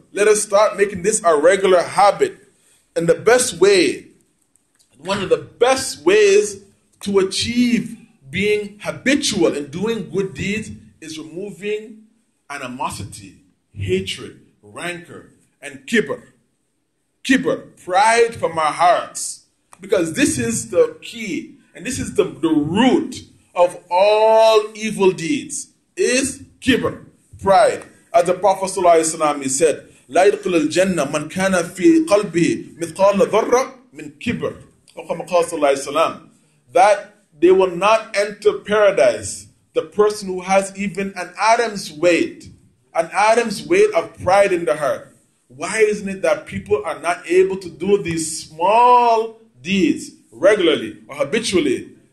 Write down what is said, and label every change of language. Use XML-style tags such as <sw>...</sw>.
<en>Let us start making this our regular habit. And the best way, one of the best ways to achieve being habitual and doing good deeds is removing animosity, hatred, rancor, and kibr. Kibr, pride from our hearts. Because this is the key and this is the root of all evil deeds is kibr, pride. As the Prophet said,</en> <ar>لَا يَدْقِلَ الْجَنَّةِ مَنْ كَانَ فِي قَلْبِهِ مِثْقَالَ ذَرَّةٍ مِنْ كِبْرٍ وَقَمَ قَالَ صَلَّى اللَّهِ وَسَلَّمَ.</ar> <en>That they will not enter paradise, the person who has even an Adam's weight of pride in the heart. Why isn't it that people are not able to do these small deeds regularly or habitually?</en>